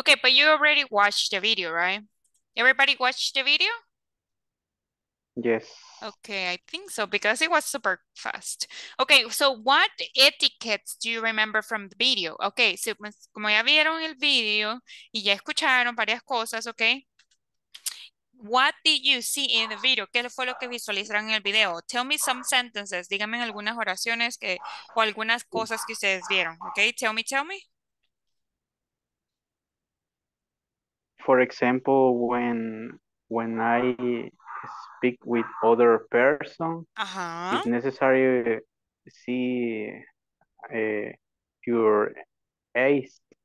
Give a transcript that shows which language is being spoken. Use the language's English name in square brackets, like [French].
[English] Okay, but you already watched the video, right? Everybody watched the video? Yes. Okay, I think so because it was super fast. Okay, so what etiquettes do you remember from the video? [Spanish] Okay, so como ya vieron el video y ya escucharon varias cosas, okay? [English] What did you see in the video? [Spanish] ¿Qué fue lo que visualizaron en el video? [English] Tell me some sentences. [Spanish] Díganme algunas oraciones que o algunas cosas que ustedes vieron, okay? [English] Tell me. For example, when I speak with other person, uh-huh, it's necessary to see your ace.